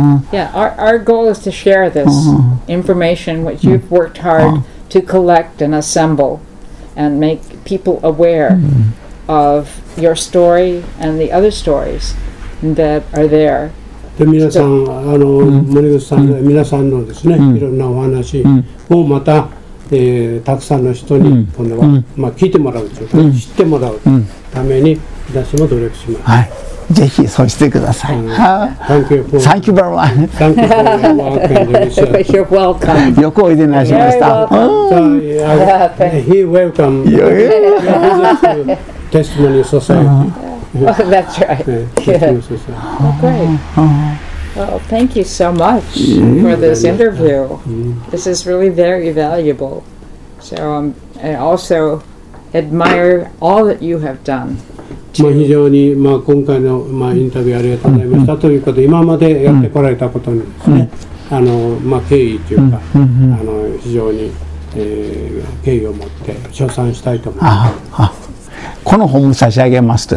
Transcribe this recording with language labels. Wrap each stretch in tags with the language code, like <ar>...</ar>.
<en>Yeah, our goal is to share this information which you've worked hard to to collect and assemble and make people aware of your story and the other stories that are there.</en> <ja>で皆さん、あの、森口さん、皆さんのですね、いろんなお話をまた、たくさんの人に今度は、まあ、聞いてもらうというか、知ってもらうために私も努力します。はい、ぜひそうしてください。</ja> <en>Thank you for Thank you very much. Thank you for welcome. You're welcome.</en> <ja>よくおいでになりました。</ja> <en>You're welcome. He welcome. You're welcome. Testimony Society. That's right. Yeah. Great. Well, thank you so much for this interview. This is really very valuable. So I also admire all that you have done.</en> <ja>まあ、非常にまあ今回のまあインタビューありがとうございましたということで、今までやってこられたことにですね、あのまあ敬意というか、あの非常に敬意を持って称賛したいと思います。この本も差し上げますと。</ja>